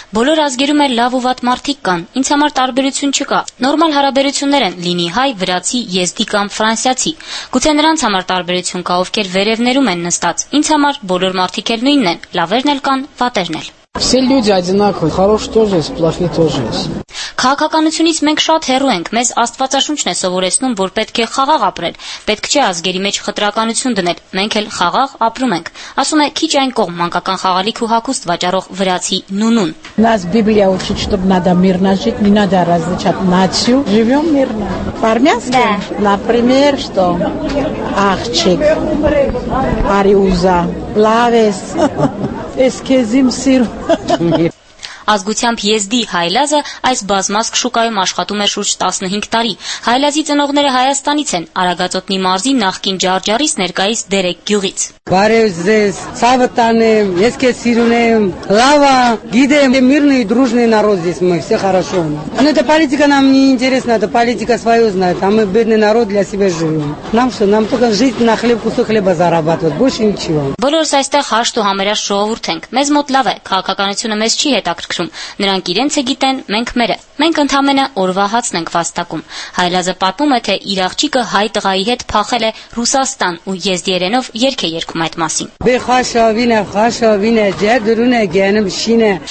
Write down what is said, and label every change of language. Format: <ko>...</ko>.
<hy>Բոլոր ազգերում էլ լավ ու վատ մարդիկ կան, ինձ համար տարբերություն չկա։ Նորմալ հարաբերություններ են, լինի հայ, վրացի, եզդի կամ ֆրանսիացի։ Գուցե նրանց համար տարբերություն կա, ովքեր վերևներում են նստած։ Ինձ համար բոլոր մարդիկ էլ նույնն են, լավերն էլ կան, վատերն էլ։</hy> <ru>Все люди одинаковые, хорошие тоже есть, плохие тоже есть.</ru> <hy>Քաղաքականությունից մենք շատ հեռու ենք, մեզ աստվածաշունչն է սովորեցնում, որ պետք է խաղաղ ապրել, պետք չէ ազգերի մեջ խտրականություն դնել, մենք էլ խաղաղ ապրում ենք, ասում է քիչ այն կողմ մանկական խաղալիք ու հագուստ վաճառող վրացի Նունուն։</hy> <ru>Нас Библия учит, что надо мирно жить, не надо различать нацию. Живём мирно. По-армянски, например, что</ru> <hy>ахчик, ариуза, лавес, эскезим сир. Ազգությամբ Եզդի Հայլազը այս բազմազգ շուկայում աշխատում է շուրջ 15 տարի։ Հայլազի ծնողները Հայաստանից են, Արագածոտնի մարզի նախկին Ջարջարիս ներկայիս Դերեկ գյուղից։ Բարև ձեզ, ցավը տանեմ, ես քեզ սիրում եմ, լավա, գիտեմ,</hy> <ru>միրնի դրուժնի նարոզ ես մի, все хорошо. Но это политика нам не интересна, это политика свою знает, а мы бедный народ для себя живём. Нам что, нам только жить на хлеб кусок хлеба зарабатывать, больше ничего.</ru> <hy>Բոլորս այստեղ հաշտ ու համերաշ շողուրթ ենք, մեզ մոտ լավ է, քաղաքականությունը մեզ չի հետաքրքրում։ Նրանք իրենց է գիտեն, մենք մերը։ Մենք ընդամենը օրվա հացն ենք վաստակում։ Հայլազը պատմում է, թե իր աղջիկը հայ տղայի հետ փախել է Ռուսաստան ու եզդի երենով երգ է երգում այդ մասին։</hy>